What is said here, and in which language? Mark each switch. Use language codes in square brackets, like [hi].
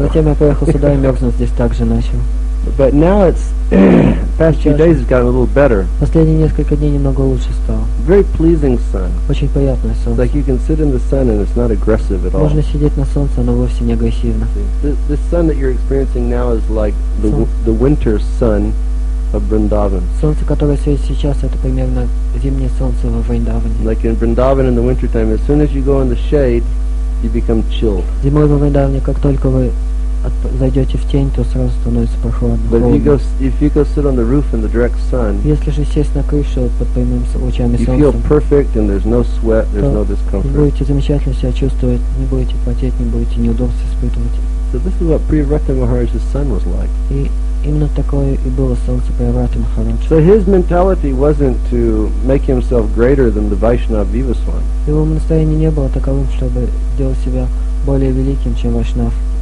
[ru] Затем я поехал сюда и мерзнуть здесь также начал. [en] But now it's past few days it's gotten a little better. [ru] Последние несколько дней немного лучше стало. [en] Very pleasing sun. [ru] Очень приятное солнце. [en] Like you can sit in the sun and it's not aggressive at all. [ru] Можно сидеть на солнце, оно вовсе не агрессивно. [en] The sun that you're experiencing now is like the winter sun of Vrindavan. [ru] Солнце, которое светит сейчас, это примерно зимнее солнце во Вриндаване. [en] Like in Vrindavan in the winter time, as soon as you go in the shade, you become chilled. [ru] Зимой во Вриндаване, как только вы зайдете в тень, то сразу становится прохладно. [en] But if you go sit on the roof in the direct sun, [ru] если же сесть на крышу под прямыми лучами солнца, [en] you feel perfect and there's no sweat, there's no discomfort. [ru] Будете замечательно себя чувствовать, не будете потеть, не будете неудобств испытывать. [en] So this is what Priyavrata Maharaj's sun was like. [ru] И именно такое и было солнце Приаврата Махараджа. [en] So his mentality wasn't to make himself greater than the Vaishnava Bhivasvan. [ru] Его настроение не было таковым, чтобы делать себя более великим, чем Вайшнав.